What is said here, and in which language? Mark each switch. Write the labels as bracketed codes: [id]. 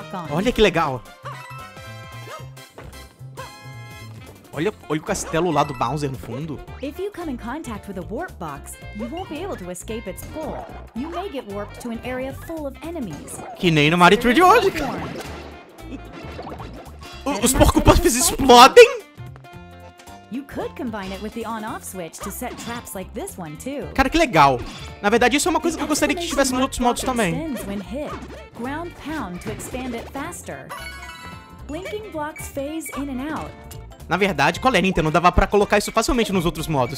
[pt] Olha que legal. Olha o castelo lá do Bowser no fundo. [en] If you come in contact with a warp box, you won't be able to escape its pull. You may get warped to an area full of enemies. [pt] Que nem no Mario 3 de hoje. Os porco-puffs explodem? [en] You could combine it with the on-off switch to set traps like this one too. [pt] Cara, que legal. Na verdade, isso é uma coisa que eu gostaria que tivesse nos outros modos também. [en] Ground pound to expand it faster. Blinking blocks phase in and out. [pt] Na verdade, qual é, Nintendo? Dava pra colocar isso facilmente nos outros modos.